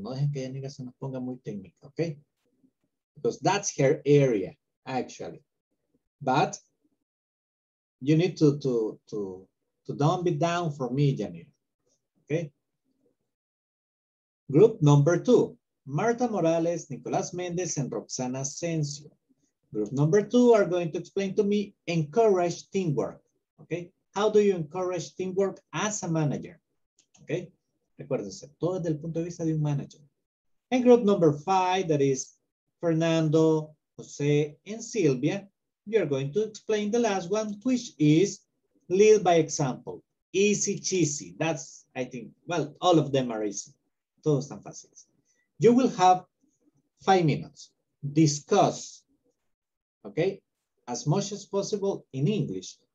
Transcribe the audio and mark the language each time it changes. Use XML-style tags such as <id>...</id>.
<es>No dejen que Janira se nos ponga muy técnica, okay?</es> <en>Because that's her area, actually. But you need to don't be down for me, Janira, okay? Group number two. Marta Morales, Nicolás Méndez, and Roxana Asensio. Group number two are going to explain to me, encourage teamwork, okay? How do you encourage teamwork as a manager, okay?</en> <es>Recuérdense, todo desde el punto de vista de un manager.</es> <en>And group number five, that is Fernando, José, and Silvia, you are going to explain the last one, which is lead by example, easy cheesy. That's, I think, well, all of them are easy.</en> <es>Todos están fáciles.</es> <en>You will have 5 minutes. Discuss, okay, as much as possible in English.</en>